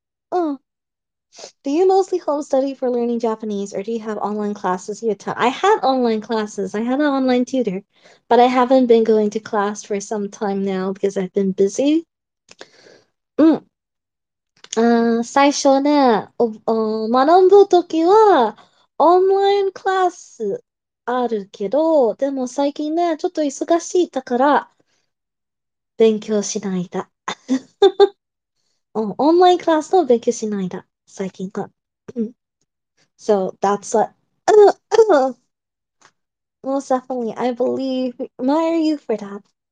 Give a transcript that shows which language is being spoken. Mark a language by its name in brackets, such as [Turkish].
[English] Do you mostly home study for learning Japanese, or do you have online classes you attend? I had online classes. I had an online tutor, but I haven't been going to class for some time now because I've been busy. [Japanese] 最初ね、学ぶときはオンラインクラスあるけど、でも最近ね、ちょっと忙しいだから勉強しないだ。オンラインクラスの勉強しないだ。最近か。 [English] So that's what. Most definitely, I believe, admire you for that.